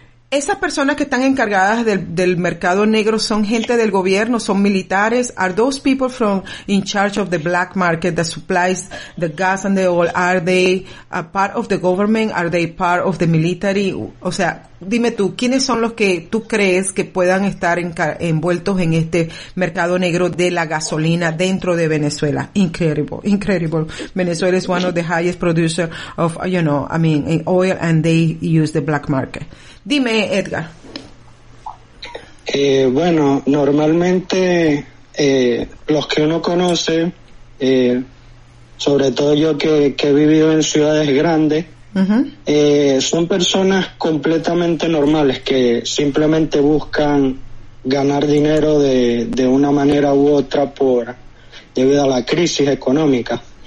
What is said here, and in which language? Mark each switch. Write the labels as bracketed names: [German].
[Spanish] Esas personas que están encargadas del mercado negro son gente del gobierno, son militares. [English] Are those people from in charge of the black market that supplies the gas and the oil? Are they a part of the government? Are they part of the military? [Spanish] O sea, dime tú, ¿quiénes son los que tú crees que puedan estar envueltos en este mercado negro de la gasolina dentro de Venezuela? [English] Incredible. Venezuela is one of the highest producers of, you know, I mean, in oil, and they use the black market. [Spanish] Dime, Edgar. Bueno, normalmente los que uno conoce, sobre todo yo que he vivido en ciudades grandes, uh-huh. Son personas completamente normales que simplemente buscan ganar dinero de una manera u otra por debido a la crisis económica.